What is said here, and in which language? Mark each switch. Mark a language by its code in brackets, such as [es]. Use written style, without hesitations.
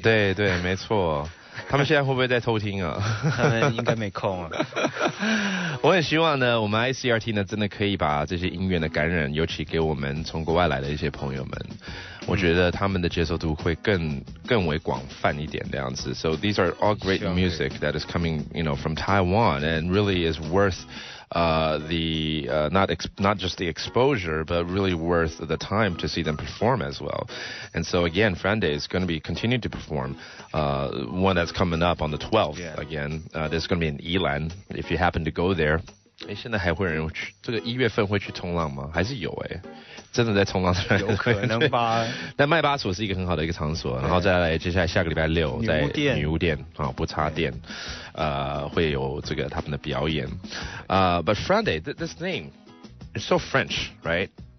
[zh] 对对，没错。他们现在会不会在偷听啊？他们应该没空啊。我很希望呢，我们 ICRT 呢，真的可以把这些音乐的感染，尤其给我们从国外来的一些朋友们，我觉得他们的接受度会更为广泛一点这样子。 [en] So these are all great music that is coming, you know, from Taiwan, and really is worth, not just the exposure, but really worth the time to see them perform as well. And so again, Friday is going to be continue to perform, one that's coming up on the 12th again. There's going to be in Yilan. If you happen to go there. [zh] 哎，现在还会有人去？这个一月份会去冲浪吗？还是有哎，真的在冲浪上？有可能吧。那麦巴索是一个很好的一个场所，然后再来接下来下个礼拜六在女巫店啊、哦，不插电，会有这个他们的表演。 [en] But Friday, this name is so French, right?